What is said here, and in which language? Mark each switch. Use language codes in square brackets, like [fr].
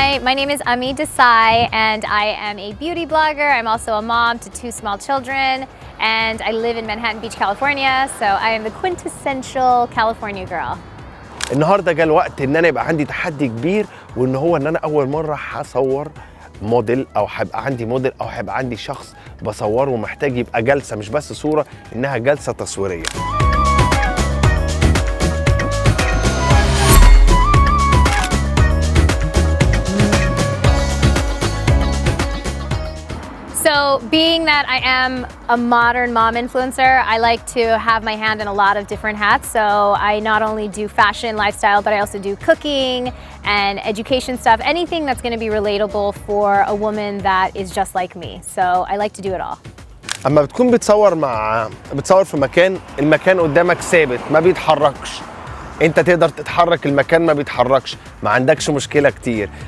[en] My name is Ami Desai and I am a beauty blogger. I'm also a mom to two small children and I live in Manhattan Beach, California. So I am the quintessential California girl. [ar] النهاردة جاء الوقت ان انا يبقى عندي تحدي كبير، وان هو ان انا اول مرة هصور موديل او هبقى عندي موديل او هبقى عندي شخص بصوره، ومحتاج يبقى جلسة مش بس صورة، انها جلسة تصويرية. [en] Being that I am a modern mom influencer, I like to have my hand in a lot of different hats. So I not only do fashion, lifestyle, but I also do cooking and education stuff, anything that's going to be relatable for a woman that is just like me. So I like to do it all. [ar] أما بتكون بتصور في مكان، المكان قدامك ثابت ما بيتحركش، انت تقدر تتحرك، المكان ما بيتحركش، ما عندكش مشكلة كتير.